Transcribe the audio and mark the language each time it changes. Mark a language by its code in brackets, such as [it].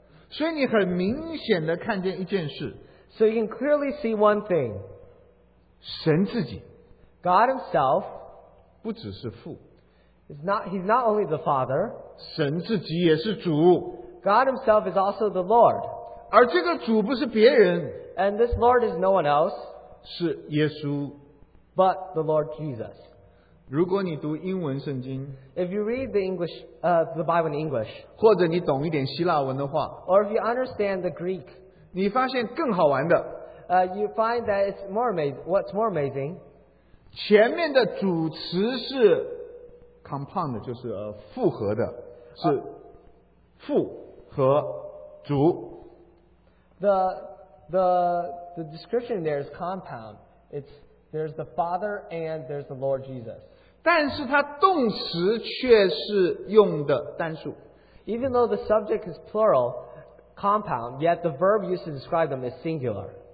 [zh] 所以你很明显的看见一件事, [en] so you can clearly see one thing. [zh] 神自己, [en] God Himself, [zh] 不只是父, [en] is not, He's not only the Father. [zh] 神自己也是主, [en] God Himself is also the Lord. [zh] 而这个主不是别人, [en] and this Lord is no one else. [zh] 是耶稣, [en] but the Lord Jesus. [zh] 如果你读英文圣经, [en] if you read the English, the Bible in English, [zh] 或者你懂一点希腊文的话, [en] or if you understand the Greek, [zh] 你发现更好玩的, [en] you find that it's more amazing. What's more amazing? [zh] 前面的主词是 compound, 就是 复合的, 是父和主, [en] the description there is compound. It's there's the Father and there's the Lord Jesus. [zh] 但是它动词却是用的单数. [en] Even though the subject is plural, compound, yet the verb used to describe them is singular.